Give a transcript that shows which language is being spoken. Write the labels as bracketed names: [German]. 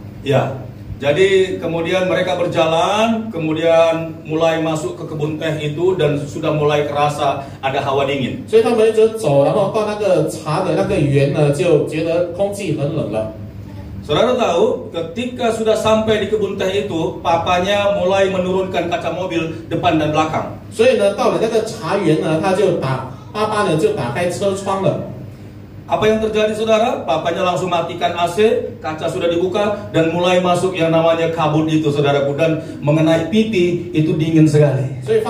[Indonesian] Ya, jadi kemudian mereka berjalan, kemudian mulai masuk ke kebun teh itu dan sudah mulai kerasa ada hawa dingin. [Chinese] 所以他们就走，然后到那个茶的那个园呢，就觉得空气很冷了。 [Indonesian] Saudara tahu, ketika sudah sampai di kebun teh itu, papanya mulai menurunkan kaca mobil depan dan belakang. [Chinese] 所以呢，到了那个茶园呢，他就打，爸爸呢就打开车窗了。 [Indonesian] Apa yang terjadi, saudara? Papanya langsung matikan AC, kaca sudah dibuka dan mulai masuk yang namanya kabut itu, saudaraku, dan mengenai pipi itu dingin sekali.